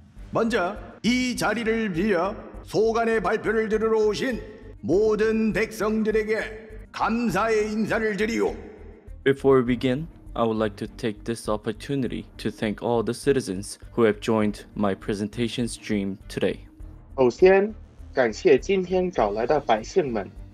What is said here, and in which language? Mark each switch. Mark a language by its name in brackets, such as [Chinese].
[Korean] 먼저 이 자리를 빌려 소간의 발표를 들으러 오신 모든 백성들에게 감사의 인사를 드리오. [English] Before we begin, I would like to take this opportunity to thank all the citizens who have joined my presentation stream today. [Chinese] 首先，感谢今天找来的百姓们。